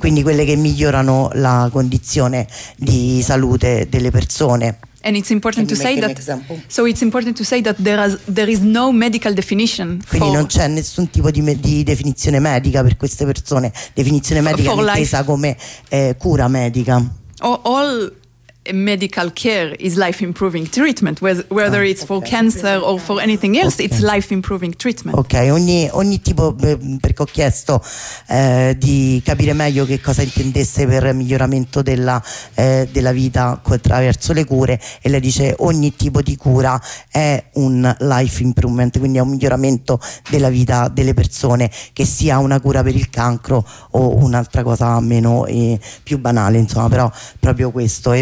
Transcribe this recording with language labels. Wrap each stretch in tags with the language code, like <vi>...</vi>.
<it>Quindi quelle che migliorano la condizione di salute delle persone.</it> <en>And it's important to say that. Example? So it's important to say that there is no medical definition.</en> <it>Quindi non c'è nessun tipo di definizione medica per queste persone. Definizione medica intesa come cura medica.</it> <en>All medical care is life improving treatment, whether it's for cancer or for anything else. Okay. It's life improving treatment.</en> <it>Ok, ogni tipo, perché ho chiesto di capire meglio che cosa intendesse per miglioramento della vita attraverso le cure, e lei dice ogni tipo di cura è un</it> <en>life improvement,</en> <it>quindi è un miglioramento della vita delle persone, che sia una cura per il cancro o un'altra cosa meno e più banale, insomma, però proprio questo.</it>